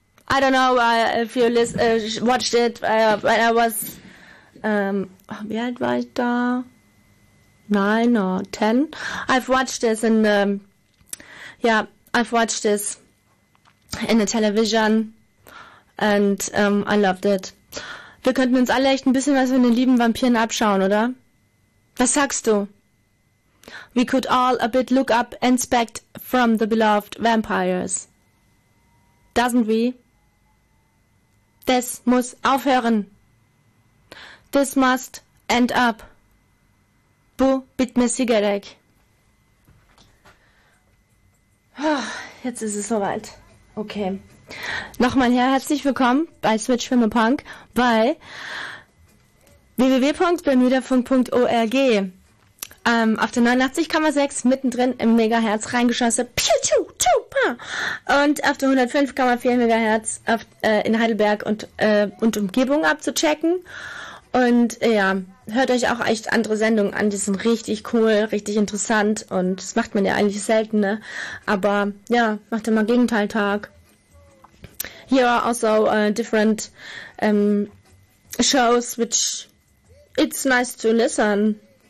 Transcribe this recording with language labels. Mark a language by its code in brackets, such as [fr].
[en] I don't know if you watched it when I was... [de] wie alt war ich da? [en] 9 or 10. I've watched this in the... I've watched this in the television. And I loved it. [de] Wir könnten uns alle echt ein bisschen was von den lieben Vampiren abschauen, oder? Was sagst du? [en] We could all a bit look up and inspect from the beloved vampires. Doesn't we? [de] Das muss aufhören. [en] This must end up. Bu, [de] bitte mir Zigarette. Jetzt ist es soweit. Okay. Nochmal herzlich willkommen bei Switch Film & Punk bei www.bermudafunk.org. Auf der 89,6 mittendrin im Megahertz reingeschossen. Piu, tschu, tschu, pa. Und auf der 105,4 Megahertz auf, in Heidelberg und Umgebung abzuchecken. Und ja, hört euch auch echt andere Sendungen an. Die sind richtig cool, richtig interessant. Und das macht man ja eigentlich selten, ne? Aber ja, macht immer Gegenteiltag. [en] Here are also different shows, which it's nice to listen.